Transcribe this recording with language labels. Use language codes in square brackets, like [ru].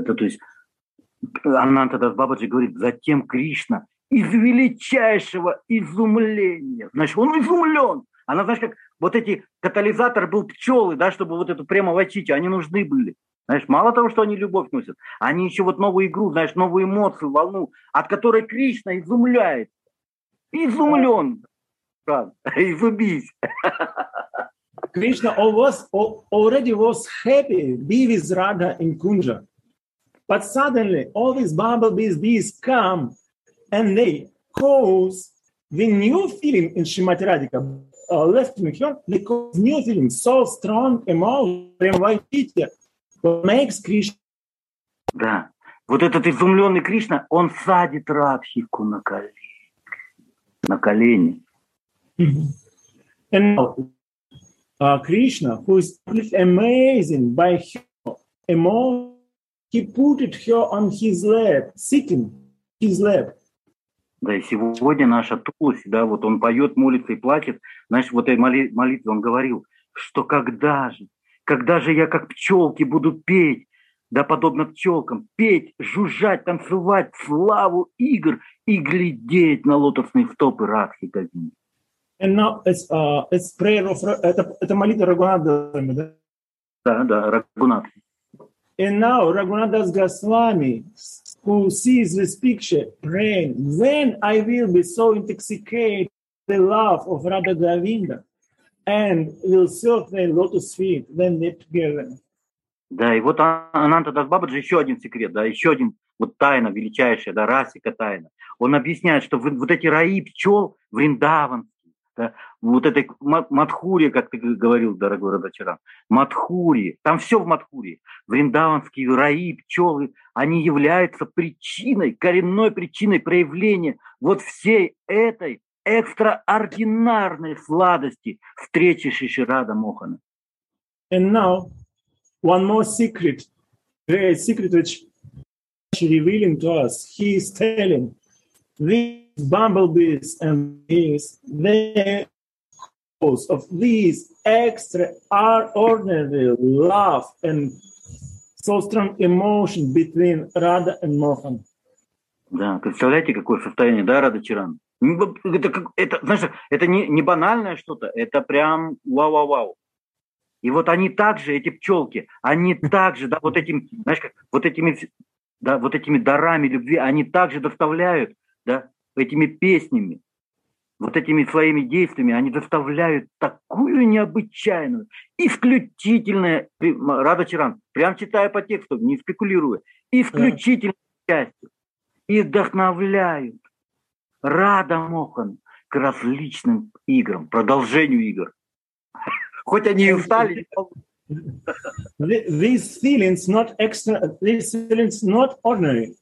[ru] Да, то есть Ананта Бабаджи говорит, затем Кришна из величайшего изумления. Значит, он изумлен. Она, знаешь, как вот эти катализатор был пчелы, да, чтобы вот эту прямо вочить, они нужны были. Знаешь, мало того, что они любовь носят, они еще вот новую игру, знаешь, новую эмоцию, волну, от которой Кришна изумляет. Изумлен. [en] Krishna already was happy to be with Radha in Kunja. But suddenly all these bumblebees, bees come and they cause the new feeling in Shrimati Radhika left in her, because new feeling, so strong emotion, makes Krishna. [ru] Да. Вот этот изумленный Кришна, он садит Радхику на колени. На колени. [en] And now, Krishna, who is amazing by her emotion, he put it here on his lap, sitting his lap. [ru] Да, и сегодня наша Тулась, да, вот он поет, молится и плачет. Знаешь, вот этой молитве он говорил, что когда же я, как пчелки, буду петь, да, подобно пчелкам, петь, жужжать, танцевать, славу игр и глядеть на лотосные стопы Радхи Гавинды. [en] And now it's prayer of [ru] это молитва Рагунатха, да? Да, Рагунатха. [en] And now Raghunadas Goswami, who sees this picture, praying, when I will be so intoxicated with the love of Radha Govinda and will serve the lotus feet when they're together. [ru] Да, и вот Анантадас Бабаджи, еще один секрет, да, еще один вот тайна величайшая, да, расика тайна. Он объясняет, что вот эти раи пчел вриндаванские, да, вот этой Мадхури, как ты говорил, дорогой Радачаран, Мадхури, там все в Мадхури. Вриндаванские раи, пчелы, они являются причиной, коренной причиной проявления вот всей этой экстраординарной сладости встречи Шиши Радха Мохана. [en] And now, one more secret, the secret which is revealing to us, he is telling these bumblebees and bees, of these extraordinary love and so strong emotion between Radha and Mohan. [ru] Да, представляете, какое состояние, да, Радха Чаран? Это, знаешь, это не банальное что-то, это прям вау-вау-вау. И вот они также, эти пчелки, они также, да, вот этими, знаешь, как, вот этими, да, вот этими дарами любви, они также доставляют, да, этими песнями. Вот этими своими действиями они доставляют такую необычайную, исключительную, Радха Чаран, прям читая по тексту, не спекулируя, исключительное счастье. И вдохновляют Радха Мохан к различным играм, продолжению игр. Хоть они и устали. [en] These feelings not extra, these feelings not ordinary.